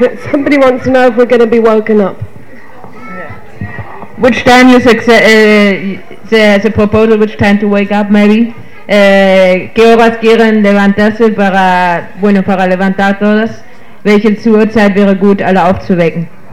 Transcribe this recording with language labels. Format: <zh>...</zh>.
<en>Somebody wants to know if we're going to be woken up. Yeah. Which time is there's a proposal? Which time to wake up? Maybe.</en> <es>¿Qué horas quieren levantarse para levantar todas?</es> <de>Welche Uhrzeit wäre gut, alle aufzuwecken?</de>